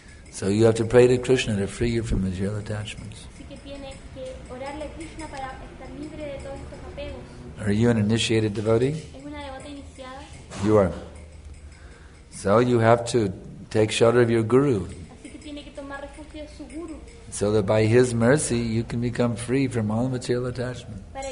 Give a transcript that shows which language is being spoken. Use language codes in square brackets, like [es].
[en] So you have to pray to Krishna to free you from material attachments. [es] Así que tiene que orarle a Krishna para estar libre de todos estos apegos. [en] Are you an initiated devotee? [es] ¿Es una devota iniciada? [en] You are. So you have to take shelter of your guru. [es] Así que tiene que tomar refugio de su guru. [en] So that by his mercy you can become free from all material attachments.